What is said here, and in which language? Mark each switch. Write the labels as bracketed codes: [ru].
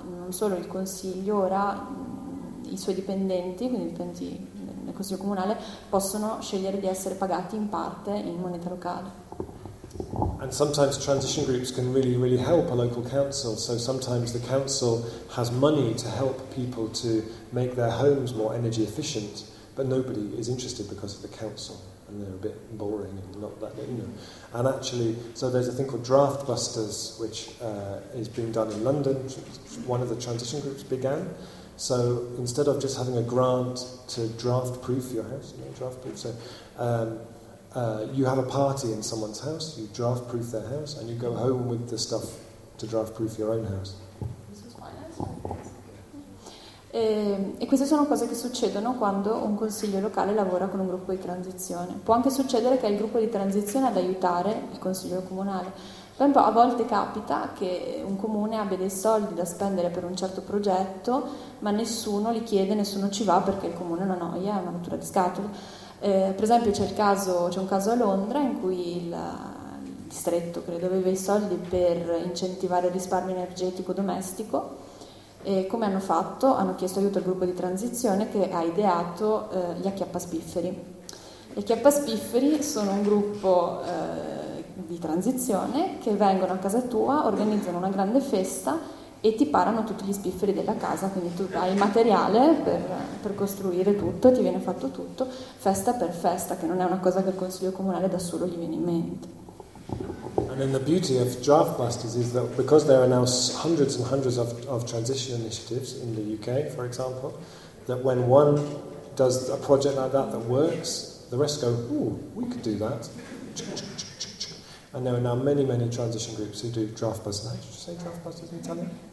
[it] Non solo il consiglio, ora i suoi dipendenti, quindi i dipendenti nel consiglio comunale, possono scegliere di essere pagati in parte in moneta locale. [en] And sometimes transition groups can really, really help a local council. So sometimes the council has money to help people to make their homes more energy efficient, but nobody is interested because of the council, and they're a bit boring and not that, you know. And actually, so there's a thing called Draft Busters, which is being done in London. One of the transition groups began. So instead of just having a grant to draft proof your house, you know, draft proof, so you have a party in someone's house, you draft proof their house, and you go home with the stuff to draft proof your own house. [it] E queste sono cose che succedono quando un consiglio locale lavora con un gruppo di transizione. Può anche succedere che è il gruppo di transizione ad aiutare il consiglio comunale. Però a volte capita che un comune abbia dei soldi da spendere per un certo progetto, ma nessuno li chiede, nessuno ci va perché il comune è una noia, è una rottura di scatole. Per esempio c'è un caso a Londra in cui il distretto, credo, aveva i soldi per incentivare il risparmio energetico domestico. E come hanno fatto? Hanno chiesto aiuto al gruppo di transizione che ha ideato gli acchiappaspifferi. Le chiappa spifferi sono un gruppo di transizione che vengono a casa tua, organizzano una grande festa e ti parano tutti gli spifferi della casa, quindi tu hai il materiale per costruire tutto, ti viene fatto tutto, festa per festa, che non è una cosa che il Consiglio Comunale da solo gli viene in mente. [en] And then the beauty of draft busters is that because there are now hundreds and hundreds of transition initiatives in the UK, for example, that when one does a project like that that works, the rest go, ooh, we could do that. And there are now many, many transition groups who do draft busters. How did you say draft busters in Italian?